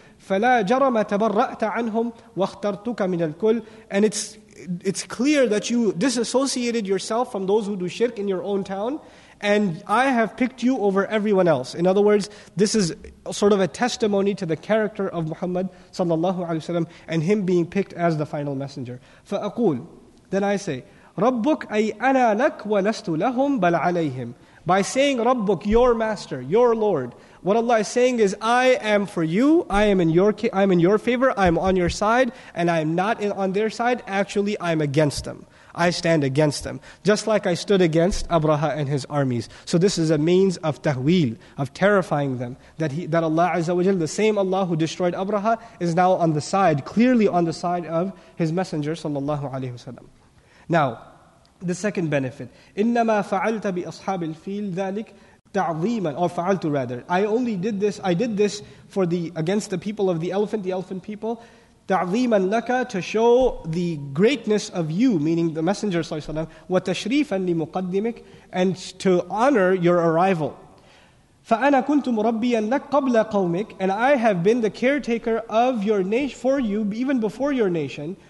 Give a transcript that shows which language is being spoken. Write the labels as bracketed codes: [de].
[ar] فلا جرم تبرأت عنهم واخترتك من الكل, [en] and it's clear that you disassociated yourself from those who do shirk in your own town, and I have picked you over everyone else. In other words, this is sort of a testimony to the character of Muhammad sallallahu alaihi wasallam and him being picked as the final messenger. [ar] فأقول, [en] then I say, [ar] ربك أي أنا لك ولست لهم بل عليهم. [en] By saying Rabbuk, your master, your Lord, what Allah is saying is, I am for you, I am in your favor, I am on your side, and I am not on their side, actually I am against them. I stand against them. Just like I stood against Abraha and his armies. So this is a means of tahweel, of terrifying them, that Allah Azza wa Jal, the same Allah who destroyed Abraha, is now on the side, clearly on the side of his messenger, sallallahu alayhi wa sallam. Now, the second benefit, [ar] إِنَّمَا فَعَلْتَ بِأَصْحَابِ الْفِيلِ ذَلِكَ تَعْظِيمًا, [en] or فَعَلْتُ rather. I did this for the against the people of the elephant people, [ar] تَعْظِيمًا لَكَ, [en] to show the greatness of you, meaning the Messenger sallallahu alayhi wa sallam, [ar] وَتَشْرِيفًا لِمُقَدِّمِكَ, [en] and to honor your arrival. [ar] فَأَنَا كُنْتُ مُرَبِّيًا لَكَ قَبْلَ قَوْمِكَ, [en] and I have been the caretaker of your nation for you, even before your nation.